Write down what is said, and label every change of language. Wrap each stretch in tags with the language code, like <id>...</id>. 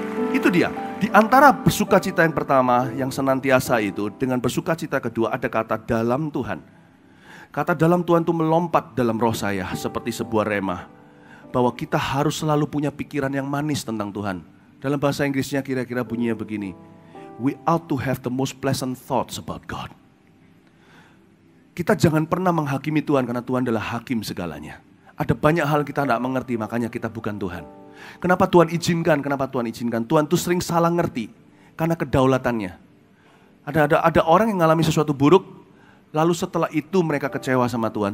<id>Itu dia, di antara bersuka cita yang pertama, yang senantiasa itu, dengan bersuka cita kedua ada kata dalam Tuhan. Kata dalam Tuhan itu melompat dalam roh saya, seperti sebuah rema, bahwa kita harus selalu punya pikiran yang manis tentang Tuhan. Dalam bahasa Inggrisnya kira-kira bunyinya begini.</id> <en>We ought to have the most pleasant thoughts about God.</en> <id>Kita jangan pernah menghakimi Tuhan karena Tuhan adalah hakim segalanya. Ada banyak hal kita tidak mengerti, makanya kita bukan Tuhan. Kenapa Tuhan izinkan? Tuhan itu sering salah ngerti karena kedaulatannya. Ada orang yang mengalami sesuatu buruk, lalu setelah itu mereka kecewa sama Tuhan.</id>